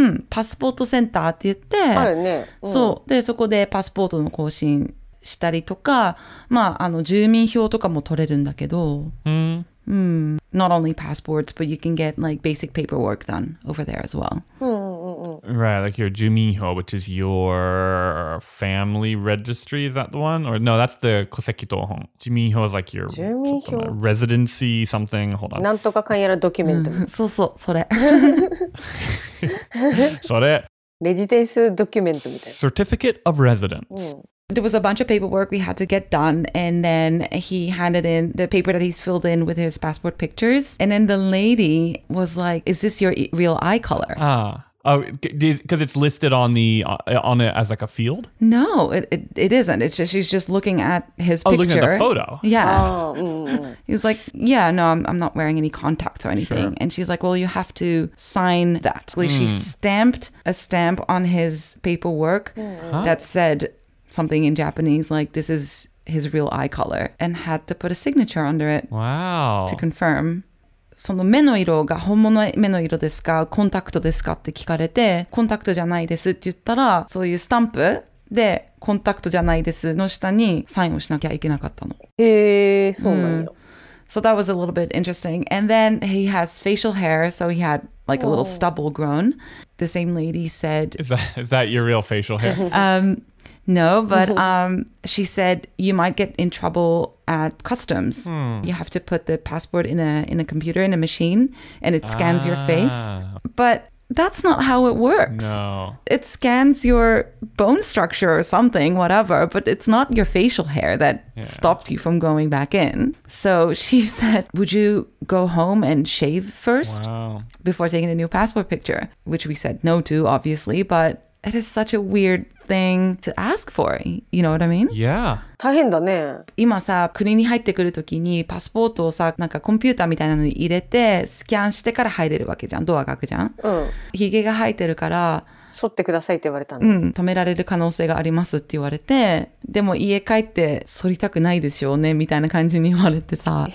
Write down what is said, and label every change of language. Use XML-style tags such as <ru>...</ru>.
<ja>パスポートセンターって言って、あるね。そう、で、そこでパスポートの更新したりとか、まあ、住民票とかも取れるんだけど、 Mm.</ja> <en>Not only passports, but you can get like basic paperwork done over there as well. Right, like your juminho, which is your family registry. Is that the one? Or no, that's the koseki tohon. Juminho is like your residency something. Hold on.</en> <ja>なんとかかんやらドキュメント。そうそう、それ。それ。レジデンスドキュメントみたいな。</ja> <en>Certificate of residence. There was a bunch of paperwork we had to get done, and then he handed in the paper that he's filled in with his passport pictures. And then the lady was like, is this your real eye color? Ah, because it's listed on it as like a field? No, it isn't. It's just, she's just looking at his picture. Oh, looking at the photo. Yeah. He was like, yeah, no, I'm not wearing any contacts or anything. Sure. And she's like, well, you have to sign that. Like, she stamped a stamp on his paperwork that said something in Japanese, like, this is his real eye color, and had to put a signature under it. Wow. To confirm.</en> <ja>その目の色が本物の目の色ですか、コンタクトですかって聞かれて、コンタクトじゃないですって言ったら、そういうスタンプで、コンタクトじゃないですの下にサインをしなきゃいけなかったの。へえ、そうなん</ja> <en>だ。So that was a little bit interesting. And then he has facial hair, so he had like a little stubble grown. The same lady said, Is that your real facial hair? No, but she said you might get in trouble at customs. You have to put the passport in a computer, in a machine, and it scans your face. But that's not how it works. No. It scans your bone structure or something, whatever, but it's not your facial hair that stopped you from going back in. So she said, would you go home and shave first before taking a new passport picture? Which we said no to, obviously, but it is such a weird thing to ask for, you know what I mean? Yeah.</en> <ja>大変だね。今さ、国に入ってくるときにパスポートをさ、なんかコンピューターみたいなのに入れてスキャンしてから入れるわけじゃん。ドアが開くじゃん。ヒゲが生えてるから剃ってくださいって言われたの。止められる可能性がありますって言われて、でも家帰って剃りたくないでしょうねみたいな感じに言われてさ。</ja>